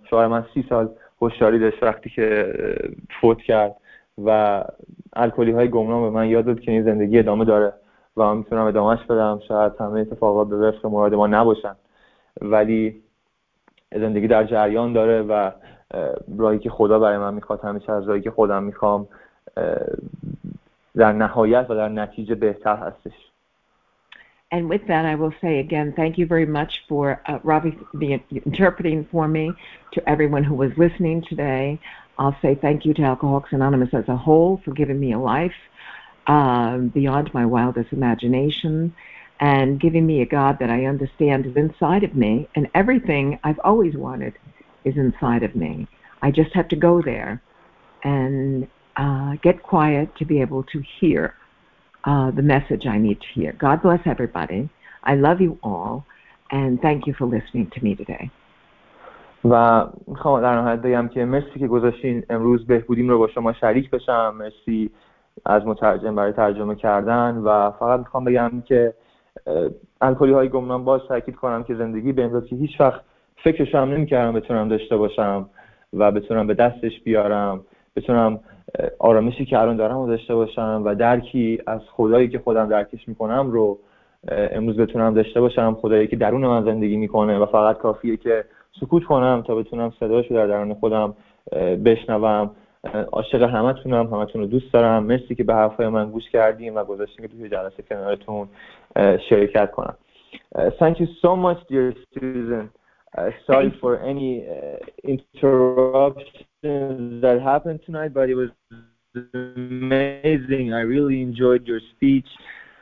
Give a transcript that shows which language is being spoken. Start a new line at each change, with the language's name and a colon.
Persian: شوهر من 30 سال هوشیاری داشت وقتی که فوت کرد و الکلی های گمنام به من یاد داد که این زندگی ادامه داره و من میتونم ادامهش بدم، شاید همه اتفاقات به وفق مراد ما نباشن ولی زندگی در جریان داره و راهی که خدا برای من میخواد همیشه از راهی که خودم میخوام در نهایت و در نتیجه بهتر هستش.
English: And with that, I will say again, thank you very much for Robbie the interpreting for me. To everyone who was listening today, I'll say thank you to Alcoholics Anonymous as a whole for giving me a life beyond my wildest imagination and giving me a God that I understand is inside of me, and everything I've always wanted is inside of me. I just have to go there and get quiet to be able to hear the message I need to hear. God bless everybody. I love you all, and thank you for listening to me today.
Persian: و میخوام در نهایت بگم که مرسی که گذاشتین امروز بهبودیم رو با شما شریک بشم. مرسی از مترجم برای ترجمه کردن و فقط میخوام بگم که الکلی های گمنام باز تاکید کنم که زندگی به امروز که هیچ وقت فکرش هم نمیکردم بتونم داشته باشم و بتونم به دستش بیارم، بتونم آرامشی که الان دارم رو داشته باشم و درکی از خدایی که خودم درکش میکنم رو امروز بتونم داشته باشم، خدایی که درون من زندگی میکنه و فقط کافیه که سکوت کنم تا بتونم صداشو در درون خودم بشنوم. عاشق همتونم، همتون رو دوست دارم. مرسی که به حرفای من گوش کردیم و گذاشتیم که توی جلسه کنارتون شرکت کنم.
English: Thank you so much dear Susan. Sorry for any interruptions that happened tonight, but it was amazing. I really enjoyed your speech.